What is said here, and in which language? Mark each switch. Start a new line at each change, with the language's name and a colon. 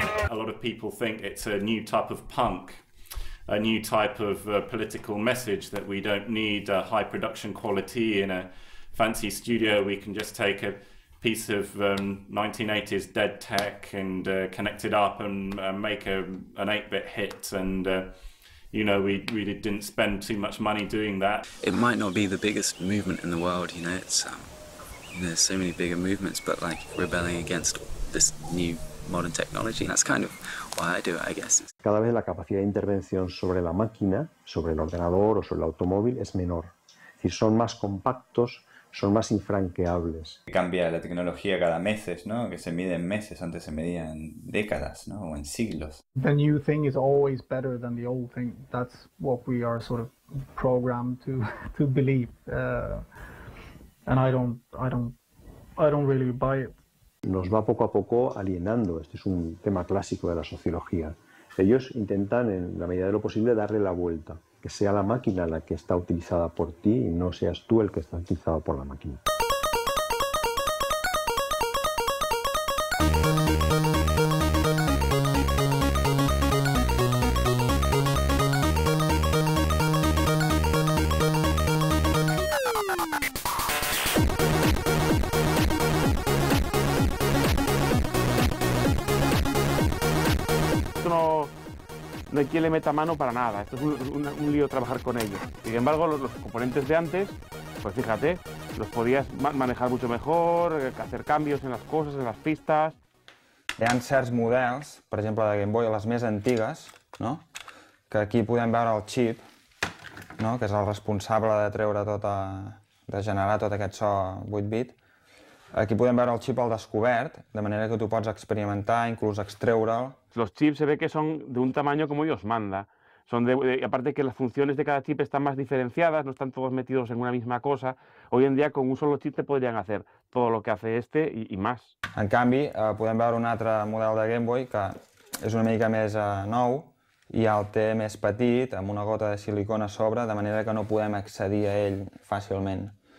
English: A lot of people think it's a new type of punk, a new type of political message, that we don't need a high production quality in a fancy studio, we can just take a piece of 1980s dead tech and connect it up and make an 8-bit hit, and you know, we really didn't spend too much money doing that. It might not be the biggest movement in the world, you know, it's there's so many bigger movements, but like rebelling against this new modern technology, that's kind of why I do it, I guess.
Spanish: Cada vez la capacidad de intervención sobre la máquina, sobre el ordenador o sobre el automóvil es menor. Es decir, son más compactos, son más infranqueables. Cambia la tecnología cada meses, ¿no? Que se mide en meses, antes se medía en décadas, ¿no? O en siglos.
English: The new thing is always better than the old thing. That's what we are sort of programmed to believe. And I don't really buy it.
Spanish: Nos va poco a poco alienando. Este es un tema clásico de la sociología. Ellos intentan, en la medida de lo posible, darle la vuelta. Que sea la máquina la que está utilizada por ti y no seas tú el que está utilizado por la máquina. No hay quien le meta mano para nada, esto es un lío trabajar con ellos. Sin embargo, los componentes de antes, pues fíjate, los podías manejar mucho mejor, hacer cambios en las cosas, en las pistas.
Catalan: Hi ha certs models, per exemple de Game Boy, les més antigues, no? Que aquí podem veure el chip, no? Que és el responsable de treure tot de generar tot aquest so 8-bit. Aquí podem veure el chip al descobert, de manera que tu pots experimentar, inclús extreure'l.
Spanish: Los chips se ve que son de un tamaño como ellos manda. Son y aparte que las funciones de cada chip están más diferenciadas, no están todos metidos en una misma cosa. Hoy en día con un solo chip te podrían hacer todo lo que hace este y más.
Catalan: En canvi, podem veure un altre model de Game Boy que és una mica més nou i el té més petit, amb una gota de silicona a sobre, de manera que no podem accedir a ell fàcilment.